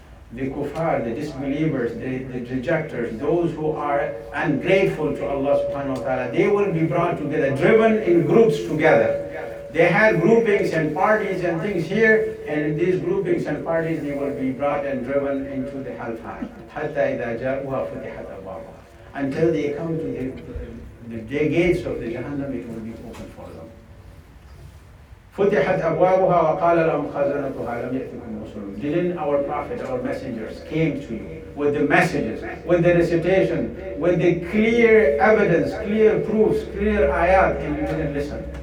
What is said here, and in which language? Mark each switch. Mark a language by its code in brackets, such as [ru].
[en] The kuffar, the disbelievers, the rejectors, those who are ungrateful to Allah subhanahu wa ta'ala, they will be brought together, driven in groups together. They had groupings and parties and things here, and in these groupings and parties, they will be brought and driven into the hellfire. [ar] حَتَّى إِذَا جَاءُوا فُتِحَتْ أَبْوَابُهَا. [en] Until they come to the gates of the Jahannam, it will be open for them. [ar] فُتِحَتْ أَبْوَابُهَا وَقَالَ لَهُمْ خَزَنَتُهَا لَمْ يَأْتِكُمْ رُسُلٌ. [en] Didn't our Prophet, our messengers, came to you with the messages, with the recitation, with the clear evidence, clear proofs, clear ayat, and you didn't listen.